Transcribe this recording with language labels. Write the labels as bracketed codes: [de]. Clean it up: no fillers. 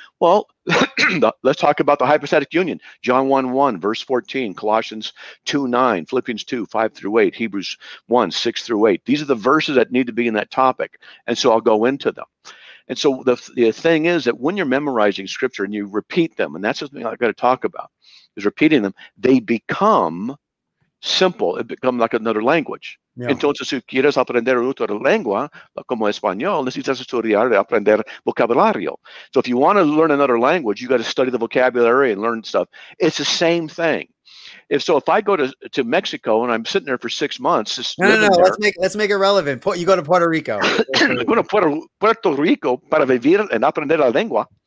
[en] Well, let's talk about the hypostatic union. John 1:1, verse 14, Colossians 2:9, Philippians 2:5 through 8, Hebrews 1:6 through 8. These are the verses that need to be in that topic. And so I'll go into them. And so the thing is that when you're memorizing scripture and you repeat them, and that's something I've got to talk about, is repeating them, they become simple. It becomes like another language. Yeah. [es] Entonces, si quieres aprender otra lengua, como español, necesitas estudiar y aprender vocabulario. [en] So if you want to learn another language, you got to study the vocabulary and learn stuff. It's the same thing. If I go to Mexico and I'm sitting there for 6 months, Let's make it relevant. You go to Puerto Rico. I go to Puerto Rico [es] para vivir [en] and [es] aprender la lengua.